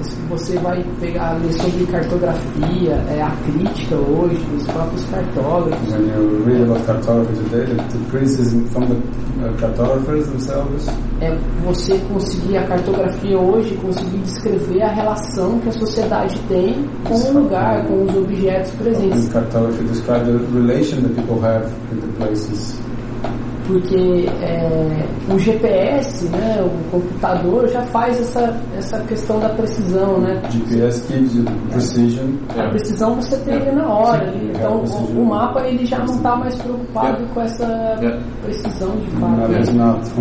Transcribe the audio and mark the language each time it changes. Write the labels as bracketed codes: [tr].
[pt] você vai pegar, ler sobre cartografia, é a crítica hoje dos próprios cartógrafos. [en] When you read about cartographers today, the criticism from the cartographers themselves. [pt] É você conseguir a cartografia hoje, conseguir descrever a relação que a sociedade tem com o lugar, com os objetos presentes. [en] Cartography describes the relation that people have in the places. [pt] Porque é, o GPS, né, o computador, já faz essa questão da precisão, né? [en] GPS gives you precision. [pt] A precisão você tem na hora. Sim, então, o mapa, ele já não está mais preocupado com essa precisão, de fato.